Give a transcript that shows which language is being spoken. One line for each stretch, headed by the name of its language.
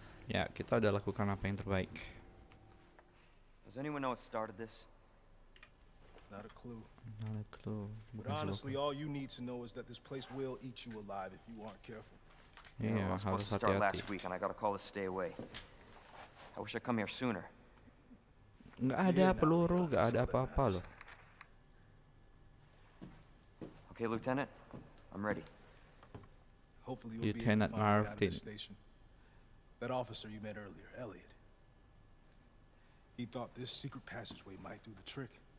Indonesian: Ya, kita udah lakukan apa yang terbaik.
English: Does anyone know what started this? Not a clue. But honestly, all you need to know is that this place will eat you alive if you aren't careful. Yeah, I was supposed to start last week, and I got a call to stay away. I wish I'd come here sooner.
Indonesian: Nggak ada peluru, nggak ada apa-apa loh.
English: Okay, Lieutenant, I'm ready. Hopefully, you'll be able to find me out of this station. That officer you met earlier, Elliot. He thought this secret passageway might do the trick.